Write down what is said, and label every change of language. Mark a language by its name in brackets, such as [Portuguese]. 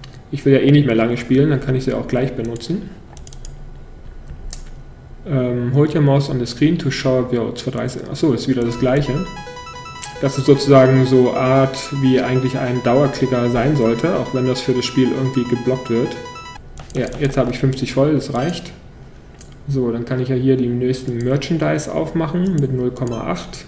[German] Ich will ja eh nicht mehr lange spielen, dann kann ich sie auch gleich benutzen. [English] Hold your mouse on the screen to show votes for 30. [German] Achso, ist wieder das gleiche. Das ist sozusagen so Art, wie eigentlich ein Dauerklicker sein sollte, auch wenn das für das Spiel irgendwie geblockt wird. Ja, jetzt habe ich 50 voll, das reicht. So, dann kann ich ja hier die nächsten Merchandise aufmachen mit 0,8.